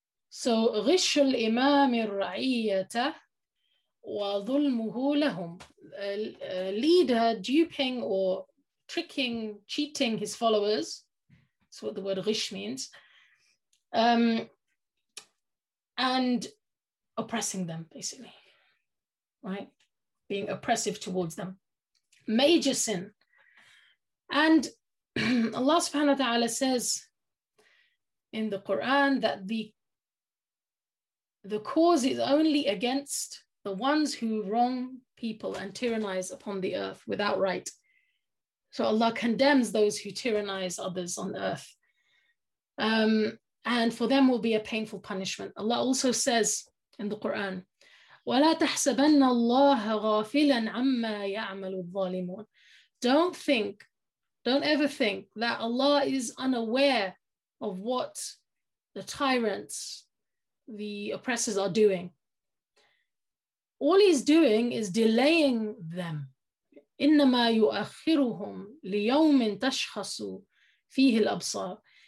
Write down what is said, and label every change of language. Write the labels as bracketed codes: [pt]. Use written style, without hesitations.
[en] So, [ar] غش الإمام الرعية وظلمه لهم. [en] A leader duping or tricking, cheating his followers. That's what the word غش means. And oppressing them, basically, right? Being oppressive towards them. Major sin. And Allah subhanahu wa ta'ala says in the Quran that the cause is only against the ones who wrong people and tyrannize upon the earth without right. So Allah condemns those who tyrannize others on earth. And for them will be a painful punishment. Allah also says in the Quran, [ar] وَلَا تَحْسَبَنَّ اللَّهَ غَافِلًا عَمَّا يَعْمَلُ الظَّالِمُونَ. [en] Don't ever think that Allah is unaware of what the tyrants, the oppressors are doing. All he's doing is delaying them. [ar] إِنَّمَا يُؤَخِّرُهُمْ لِيَوْمٍ تَشْخَصُ فِيهِ الْأَبْصَارِ.